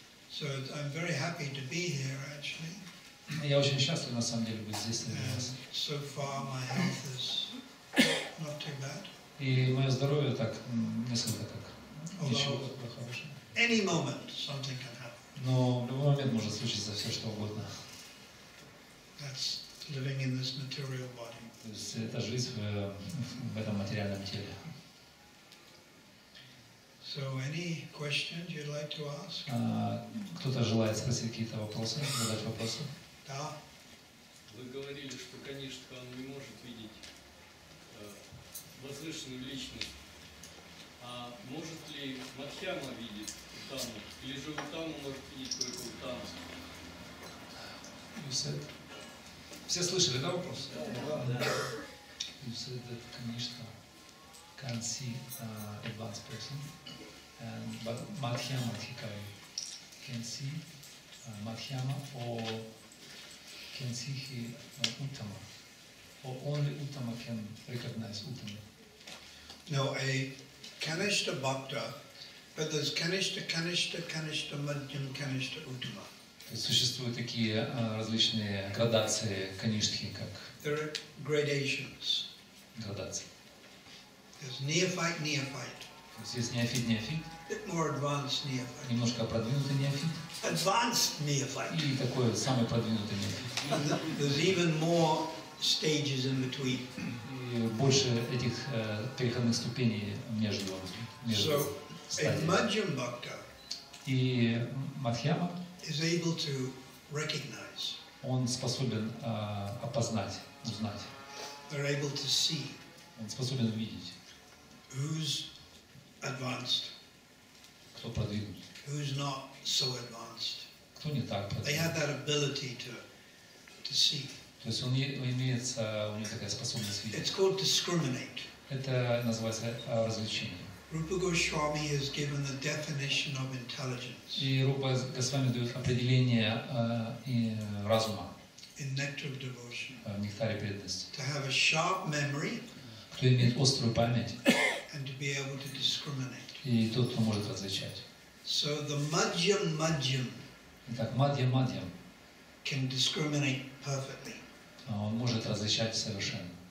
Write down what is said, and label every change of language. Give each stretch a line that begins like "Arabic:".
English: So I'm very happy to be here, actually.
Russian: Я очень счастлив, на самом деле, быть здесь.
English: So far my health is not too bad.
Russian: И мое здоровье так, несколько так. Ничего хорошего.
English: Any moment something can happen.
Russian: Но в любой момент может случиться все, что угодно.
English: That's living in this material body.
Russian: То есть это жизнь в этом материальном теле.
English: So any questions you'd like to ask?
Russian: Кто-то желает спросить какие-то вопросы, задать вопросы? Да. Вы говорили, что Канишка он не может видеть возвышенную личность. А может ли Мадхьяма видеть Утаму? Или же Утаму может видеть только Утаму? Все слышали, да, вопрос? Да.
English: You said that Канишка can see advanced person. But Madhyama Hikari can see Madhyama or can see he Uttama. Or only Uttama can recognize Uttama. No, a Kanishta Bhakta, but there's Kanishta Madhyam, Kanishta Uttama.
Russian: То есть существуют такие различные градации Kanishthi, как.
English: There are gradations.
Russian: Градации.
English: There's neophyte.
Russian: То есть есть неофит.
English: Bit more advanced neophyte.
Russian: Немножко продвинутый неофит.
English: Advanced neophyte.
Russian: И такой вот самый продвинутый неофит.
English: There's even more stages in between.
Russian: И больше этих переходных ступеней между стадиями.
English: So, Madhyam Bhakta.
Russian: И Мадхьяма.
English: Is able to recognize.
Russian: Он способен опознать, узнать.
English: They're able to see.
Russian: Он способен увидеть.
English: Who's advanced?
Russian: Кто продвинут?
English: Who's not so advanced?
Russian: Кто не так продвинут?
English: They have that ability to see.
Russian: То есть у него такая способность видеть.
English: It's called discriminate.
Russian: Это называется различение.
English: Rupa Goswami has given the definition of intelligence.
Russian: И Рупа Госвами дает определение разума.
English: In nectar of devotion.
Russian: В нектаре преданности.
English: To have a sharp memory.
Russian: Кто имеет острую память.
English: And to be able to discriminate.
Russian: и тот, кто может различать.
English: So the madhyam-madhyam.
Russian: Итак, madhyam-madhyam.
English: Can discriminate perfectly.
Russian: Он может различать совершенно.